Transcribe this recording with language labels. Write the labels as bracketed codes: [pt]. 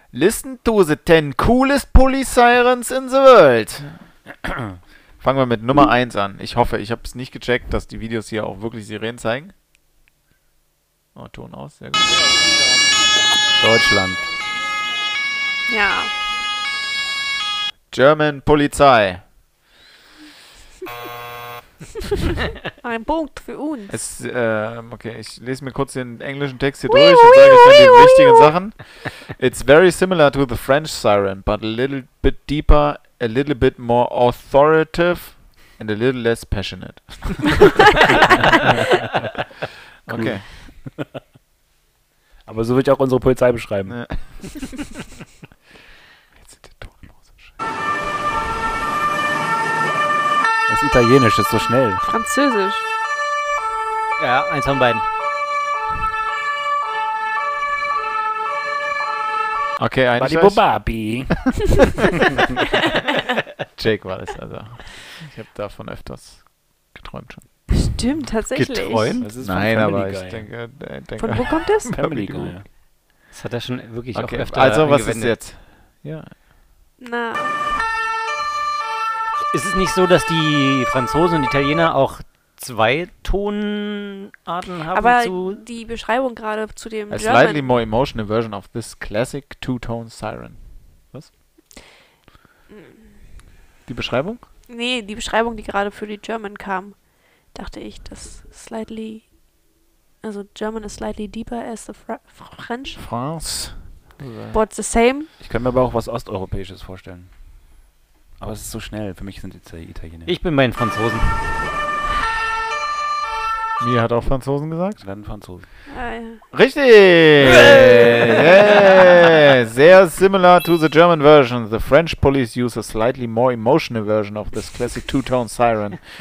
[en] Listen to the 10 coolest police sirens in the world. [de] Fangen wir mit Nummer 1 an. Ich hoffe, ich habe es nicht gecheckt, dass die Videos hier auch wirklich Sirenen zeigen. Oh, Ton aus. Sehr gut. Deutschland. Ja. German Polizei. Ein Punkt für uns. Okay, ich lese mir kurz den englischen Text hier durch und sage jetzt die wichtigen Sachen. [en] It's very similar to the French siren, but a little bit deeper. A little bit more authoritative and a little less passionate. Okay. [de] Aber so würde ich auch unsere Polizei beschreiben. Ja. Jetzt sind die Toten aus. Das Italienisch ist so schnell. Französisch. Ja, eins von beiden. Okay, eins von beiden. Babi. Jake war das also. Ich habe davon öfters geträumt schon. Stimmt, tatsächlich. Geträumt? Nein, aber ich denke. Von wo kommt das? Family Guy. Das hat er schon wirklich auch öfter angewendet. Also, was ist jetzt? Ja. Na. ist es nicht so, dass die Franzosen und Italiener auch zwei Tonarten haben? Aber zu die Beschreibung gerade zu dem [en] A German. Slightly more emotional version of this classic two-tone siren. [de] Was? Die Beschreibung? Nee, die Beschreibung, die gerade für die German kam, dachte ich, dass slightly, also [en] German is slightly deeper as the French. France. But the same. [de] Ich könnte mir aber auch was Osteuropäisches vorstellen. Aber es ist so schnell. Für mich sind die zwei Italiener. Ich bin bei den Franzosen. Mir hat auch Franzosen gesagt? Dann Franzosen. Richtig! Sehr [en] similar to the German version. The French police use a slightly more emotional version of this classic two-tone siren.